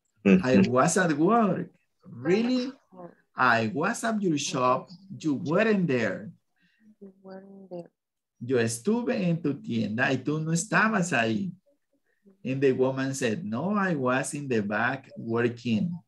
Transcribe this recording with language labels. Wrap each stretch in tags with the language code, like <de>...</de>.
<en>I was at work. Really? I was at your shop. You weren't there. you weren't there.</en> <es>Yo estuve en tu tienda y tú no estabas ahí.</es> <en>And the woman said, no, I was in the back working.</en>